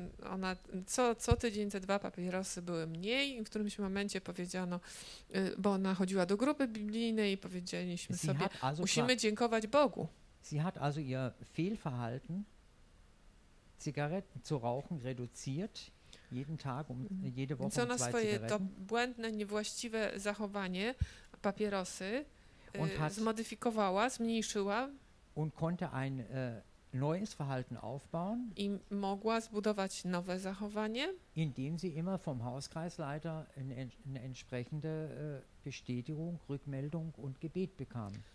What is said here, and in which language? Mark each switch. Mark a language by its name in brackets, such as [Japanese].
[Polish] Ona co tydzień te 2 papierosy były mniej i w którymś momencie powiedziano, bo ona chodziła do grupy biblijnej i powiedzieliśmy sobie, musimy dziękować Bogu. [German] Sie hat also ihr Fehlverhalten, Zigaretten zu rauchen, reduziert. Jeden Tag, jede Woche. [Polish] Co na swoje to błędne, niewłaściwe zachowanie, papierosy, zmodyfikowała, zmniejszyła. [German] Und konnte ein neues Verhalten aufbauen. [Polish] I mogła zbudować nowe zachowanie. [German] Indem sie immer vom Hauskreisleiter eine entsprechende Bestätigung, Rückmeldung und Gebet bekam.